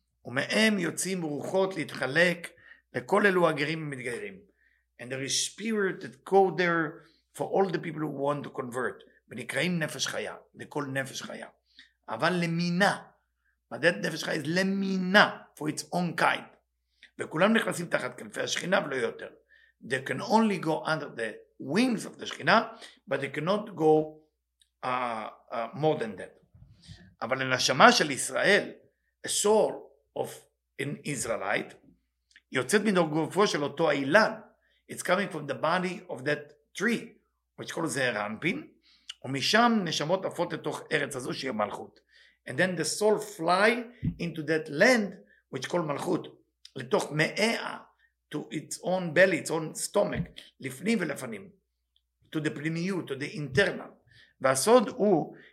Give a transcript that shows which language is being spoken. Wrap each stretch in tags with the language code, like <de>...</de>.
<he>ומהם יוצאים רוחות להתחלק לכל אלו הגרים ומתגיירים.</he> <en>And there is spirit that go there for all the people who want to convert.</en> <he>ונקראים נפש חיה.</he> <en>They call</en> <he>נפש חיה. אבל למינה.</he> <en>But that נפש חיה is למינה for its own kind.</en> <he>וכולם נכנסים תחת כנפי השכינה ולא יותר.</he> <en>They can only go under the wings of the Shekhinah, but they cannot go more than that.</en> <he>אבל הנשמה של ישראל,</he> <en>a soul of an Israelite,</en> <he>יוצאת מדרגופו של אותו אילן.</he> <en>It's coming from the body of that tree, which called זעיר אנפין,</en> <he>ומשם נשמות עפות לתוך ארץ הזו שהיא מלכות.</he> <en>And then the soul fly into that land, which called מלכות.</en> <he>לתוך מאה,</he> <en>to its own belly, its own stomach,</en> <he>לפנים ולפנים,</he> <en>to the פנימיות, to the internal.</en> <he>והסוד הוא,</he>